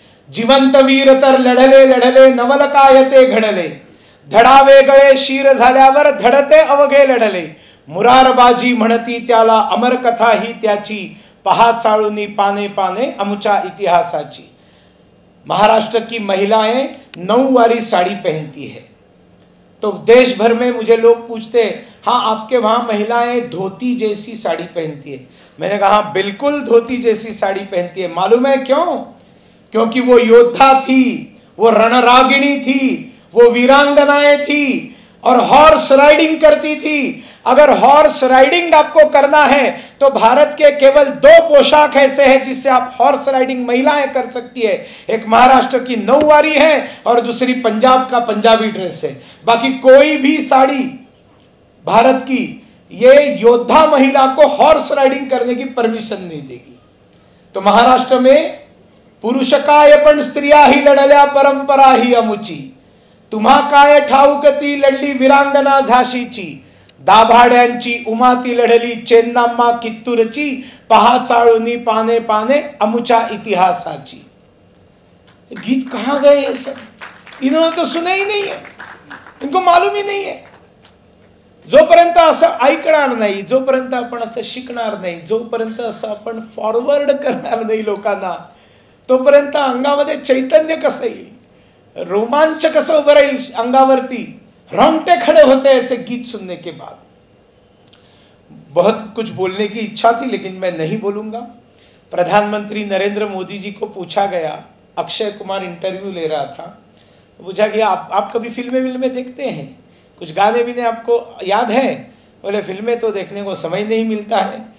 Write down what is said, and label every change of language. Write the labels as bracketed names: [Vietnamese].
[Marathi] जिवंत वीर तर लढले लढले नवल काय ते घडले, धडा वेगळे शीर झाल्यावर धडते अवघे लढले, मुरार बाजी म्हणती त्याला अमर कथा ही त्याची, पहा चाळुनी पाने पाने अमुचा इतिहासाची. [Hindi] महाराष्ट्र की महिलाएं नौवारी साड़ी पहनती है, तो देश भर में मुझे लोग पूछते हाँ आपके वहां महिलाएं धोती जैसी साड़ी पहनती है. मैंने कहा बिल्कुल धोती जैसी साड़ी पहनती है. मालूम है क्यों? क्योंकि वो योद्धा थी, वो रणरागिणी थी, वो वीरांगनाएं थी और हॉर्स राइडिंग करती थी. अगर हॉर्स राइडिंग आपको करना है तो भारत के केवल दो पोशाक ऐसे हैं जिससे आप हॉर्स राइडिंग महिलाएं कर सकती है. एक महाराष्ट्र की नौवारी है और दूसरी पंजाब का पंजाबी ड्रेस है. बाकी कोई भी साड़ी भारत की ये योद्धा महिला को हॉर्स राइडिंग करने की परमिशन नहीं देगी. [Marathi] तो महाराष्ट्र में पुरुष काय पण स्त्रिया ही लड़ल्या परंपरा ही अमुची, तुम्हा काय ठाऊक ती लढली वीरांगना झाशीची, दाभाड्यांची उमा ती लढली चेन्नाम्मा कित्तूरची, पहा चाळुनी पाने पाने अमुचा इतिहासाची. [Hindi] गीत कहां गए ये सब? इन्होंने तो सुना ही नहीं है, इनको मालूम ही नहीं है. [Marathi] जोपर्यंत असं ऐकणार नाही, जोपर्यंत आपण असं शिकणार नाही, जोपर्यंत असं आपण फॉरवर्ड करणार नाही लोकांना, तोपर्यंत अंगामध्ये चैतन्य कसं येईल, रोमांच कसं उभं राहील अंगावरती, [Hindi] रोंगटे खड़े होते ऐसे गीत सुनने के बाद. बहुत कुछ बोलने की इच्छा थी लेकिन मैं नहीं बोलूंगा. प्रधानमंत्री नरेंद्र मोदी जी को पूछा गया, अक्षय कुमार इंटरव्यू ले रहा था, पूछा कि आप कभी फिल्में विल्में देखते हैं? कुछ गाने भी ने आपको याद है? बोले फिल्में तो देखने को समय नहीं मिलता है.